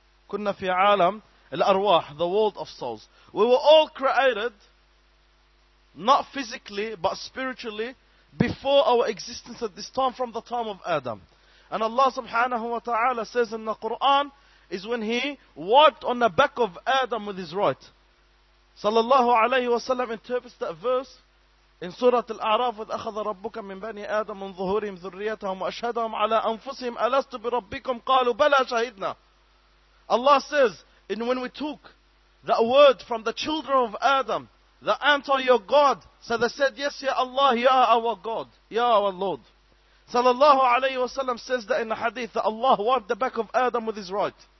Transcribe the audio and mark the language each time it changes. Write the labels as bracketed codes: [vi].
[ar] كُنَّ فِي عَالَمْ الْأَرْوَاحِ, [en] the world of souls. We were all created, not physically, but spiritually, before our existence at this time, from the time of Adam. And Allah subhanahu wa ta'ala says in the Quran, is when he wiped on the back of Adam with his right. [ar] Sallallahu alayhi wa sallam [en] interprets that verse in Surah Al-A'raf, [ar] وَأَخَذَ رَبُّكَ مِنْ بَنِي آدَمَ مِنْ ظُهُورِهِمْ ذُرِّيَّتَهُمْ وَأَشْهَدَهُمْ عَلَىٰ أَنفُسِهِمْ أَلَسْتُ بِرَبِّكُمْ قَالُوا بَلَىٰ شَهِدْنَا. [en] Allah says, and when we took that word from the children of Adam, the answer, your God. So they said, yes, Ya Allah, Ya our God, Ya our Lord. Sallallahu alayhi wa sallam says that in the hadith, that Allah wiped the back of Adam with his right.